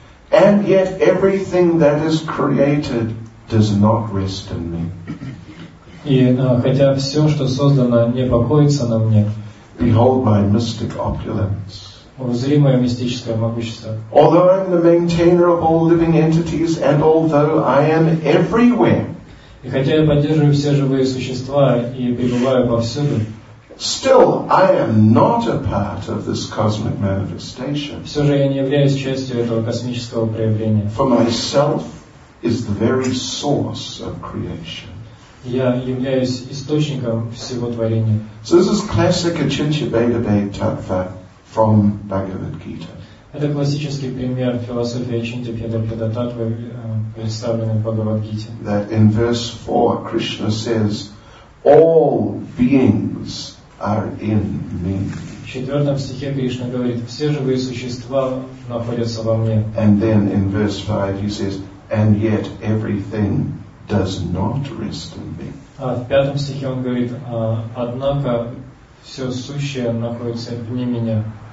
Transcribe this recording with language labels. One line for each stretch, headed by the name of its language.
English: And yet everything that is created does not rest in me.
Russian: И хотя все, что создано, не покоится на мне.
English: Behold my mystic opulence.
Russian: Узри мое мистическое могущество.
English: Although I am the maintainer of all living entities, and although I am everywhere.
Russian: И хотя я поддерживаю все живые существа и пребываю повсюду.
English: Still, I am not a part of this cosmic manifestation.
Russian: Все же я не являюсь частью этого космического проявления.
English: For myself is the very source of creation.
Russian: Я являюсь источником всего творения.
English: So this is classic Achintya Bhedabhed Tattva from Bhagavad Gita.
Russian: Это классический пример философии Ачинтья Бхедабхеда Таттвы, представленной в Бхагавад Гите.
English: That in verse 4 Krishna says, all beings are in me.
Russian: В четвертом стихе Кришна говорит, все живые существа находятся во мне.
English: And then in verse 5 he says, and yet everything does not rest in me.
Russian: А в пятом стихе он говорит, однако все сущее находится вне меня.